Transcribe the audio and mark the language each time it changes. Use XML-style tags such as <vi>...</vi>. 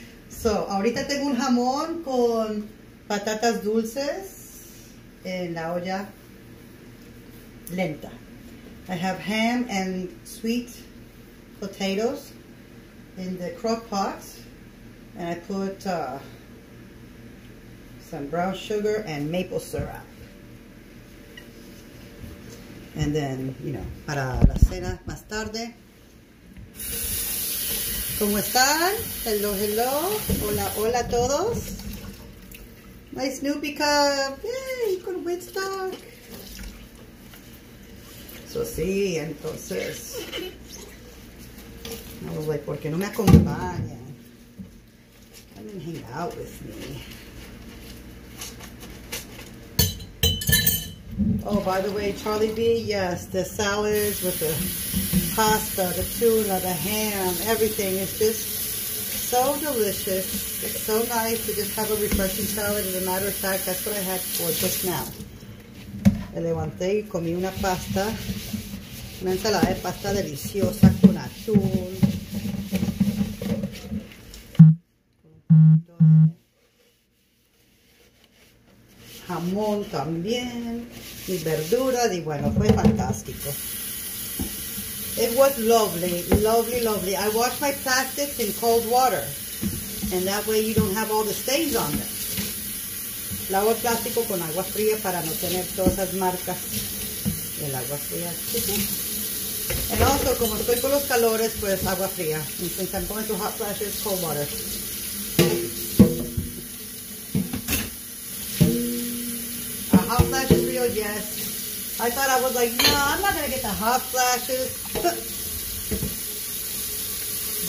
<es>So, ahorita tengo un jamón con patatas dulces en la olla lenta.</es> <en>I have ham and sweet potatoes in the crock pot. And I put some brown sugar and maple syrup. And then, you know,</en> <es>para la cena más tarde. ¿Cómo están?</es> <en>Hello, hello.</en> <es>Hola, hola a todos.</es> <en>My Snoopy cup.</en> <es>Yay, con Woodstock. So, sí, entonces.</es> <en>I was like,</en> <es>¿por qué no me acompaña?</es> <en>Hang out with me. Oh, by the way, Charlie B, yes, the salads with the pasta, the tuna, the ham, everything is just so delicious. It's so nice to just have a refreshing salad. As a matter of fact, that's what I had for just now.</en> <es>Me levanté y comí una pasta, una ensalada de pasta deliciosa con atún. Jamón también, y verduras, y bueno, fue fantástico.</es> <en>It was lovely, lovely, lovely. I washed my plastics in cold water, and that way you don't have all the stains on them.</en> <es>Lavo el plástico con agua fría para no tener todas esas marcas del agua fría.</es> <en>And also,</en> <es>como estoy con los calores, pues agua fría.</es> <en>And since I'm going to hot flashes, cold water. Hot flashes video, yes. I thought I was like, no, I'm not gonna get the hot flashes.</en>